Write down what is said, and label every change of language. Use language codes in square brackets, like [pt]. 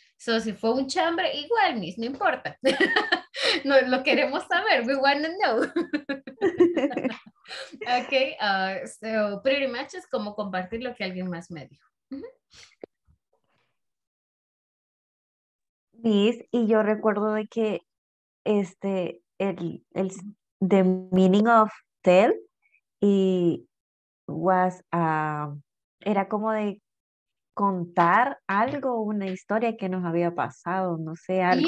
[es] So si fue un chambre, igual, Miss, no importa. No, lo queremos saber, [en] we want to know. Okay, so pretty much [es] es como compartir lo que alguien más me dijo. Miss, y yo recuerdo de que [en] the meaning of tell y was [es] era como de contar algo, una historia que nos había pasado, no sé, algo.